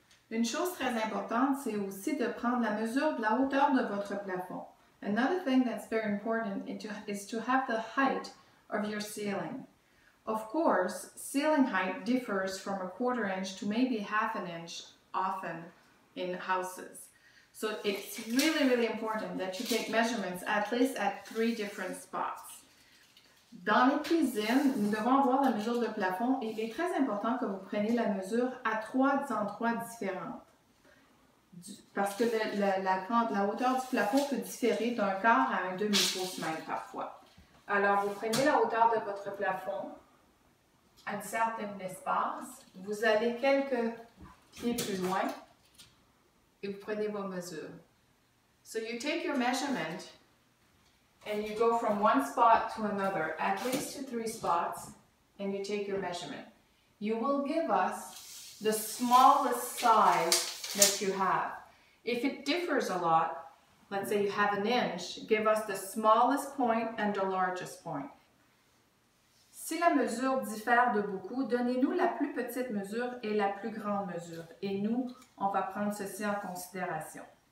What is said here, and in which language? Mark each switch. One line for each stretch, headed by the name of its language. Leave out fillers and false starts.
French: Une chose très importante, c'est aussi de prendre la mesure de la hauteur de votre plafond.
English: Another thing that's very important is to have the height of your ceiling. Of course, ceiling height differs from 1/4 inch to maybe 1/2 inch often, in houses. So it's really, really important that you take measurements at least at three different spots.
French: Dans les cuisines, nous devons avoir la mesure de plafond et il est très important que vous preniez la mesure à trois endroits différents. Parce que la hauteur du plafond peut différer d'un quart à un demi-pouce même parfois. Alors, vous prenez la hauteur de votre plafond à un certain espace. Vous allez quelques pieds plus loin et vous prenez vos mesures.
English: So, you take your measurement and you go from one spot to another, at least to three spots, and you take your measurement. You will give us the smallest size that you have. If it differs a lot, let's say you have an inch, give us the smallest point and the largest point.
French: Si la mesure diffère de beaucoup, donnez-nous la plus petite mesure et la plus grande mesure. Et nous, on va prendre ceci en considération.